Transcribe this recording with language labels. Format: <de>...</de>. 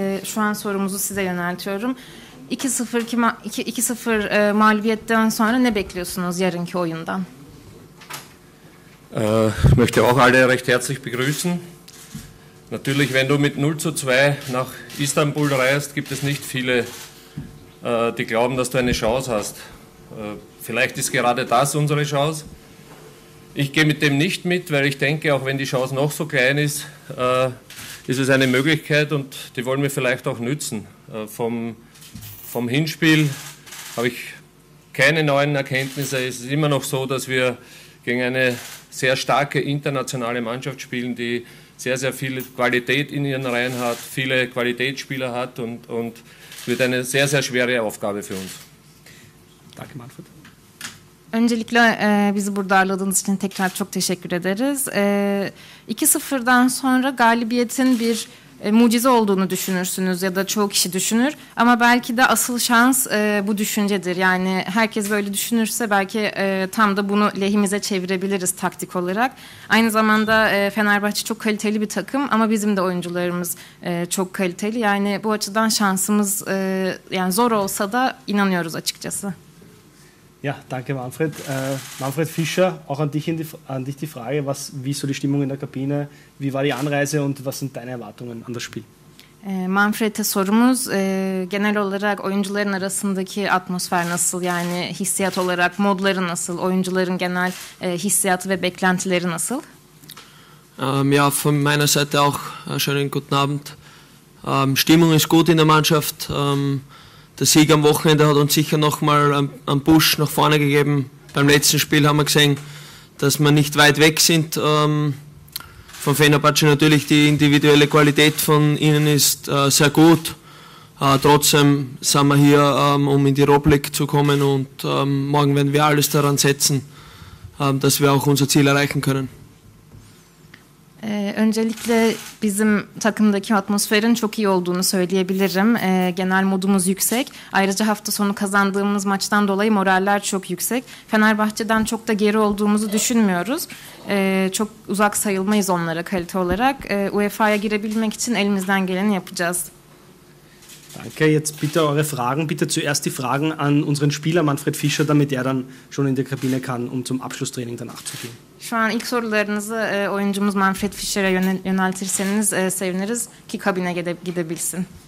<tr>Şu an sorumuzu size yöneltiyorum. 2-0 mağlubiyetten sonra ne bekliyorsunuz yarınki oyundan?</tr> <de>Möchte auch alle recht herzlich begrüßen. Natürlich, wenn du mit 0:2 nach Istanbul reist, gibt es nicht viele, die glauben, dass du eine Chance hast. Vielleicht ist gerade das unsere Chance. Ich gehe mit dem nicht mit, weil ich denke, auch wenn die Chance noch so klein ist, ist es eine Möglichkeit und die wollen wir vielleicht auch nützen. Vom Hinspiel habe ich keine neuen Erkenntnisse. Es ist immer noch so, dass wir gegen eine sehr starke internationale Mannschaft spielen, die sehr, sehr viel Qualität in ihren Reihen hat, viele Qualitätsspieler hat und wird eine sehr, sehr schwere Aufgabe für uns. Danke, Manfred.</de> <tr>Öncelikle bizi burada ağırladığınız için tekrar çok teşekkür ederiz. 2-0'dan sonra galibiyetin bir mucize olduğunu düşünürsünüz ya da çoğu kişi düşünür. Ama belki de asıl şans bu düşüncedir. Yani herkes böyle düşünürse belki tam da bunu lehimize çevirebiliriz taktik olarak. Aynı zamanda Fenerbahçe çok kaliteli bir takım ama bizim de oyuncularımız çok kaliteli. Yani bu açıdan şansımız yani zor olsa da inanıyoruz açıkçası.</tr> <de>Ja, danke Manfred. Manfred Fischer, auch an dich die Frage, wie ist so die Stimmung in der Kabine, wie war die Anreise und was sind deine Erwartungen an das Spiel?</de> <tr>Manfred'e sorumuz, genel olarak oyuncuların arasındaki atmosfer nasıl, yani hissiyat olarak modları nasıl, oyuncuların genel hissiyatı ve beklentileri nasıl?</tr> <de>Ja, von meiner Seite auch schönen guten Abend. Stimmung ist gut in der Mannschaft. Der Sieg am Wochenende hat uns sicher nochmal einen Push nach vorne gegeben. Beim letzten Spiel haben wir gesehen, dass wir nicht weit weg sind von Fenerbahçe. Natürlich die individuelle Qualität von ihnen ist sehr gut. Trotzdem sind wir hier, um in die Europa League zu kommen. Und morgen werden wir alles daran setzen, dass wir auch unser Ziel erreichen können.</de> <tr>Öncelikle bizim takımdaki atmosferin çok iyi olduğunu söyleyebilirim. Genel modumuz yüksek. Ayrıca hafta sonu kazandığımız maçtan dolayı moraller çok yüksek. Fenerbahçe'den çok da geri olduğumuzu düşünmüyoruz. Çok uzak sayılmayız onlara kalite olarak. UEFA'ya girebilmek için elimizden geleni yapacağız.</tr> <de>Danke, jetzt bitte eure Fragen. Bitte zuerst die Fragen an unseren Spieler Manfred Fischer, damit er dann schon in der Kabine kann, um zum Abschlusstraining danach zu gehen.</de> <tr>Şu an ilk sorularınızı oyuncumuz Manfred Fischer'e yöneltirseniz seviniriz ki kabine gidebilsin.</tr>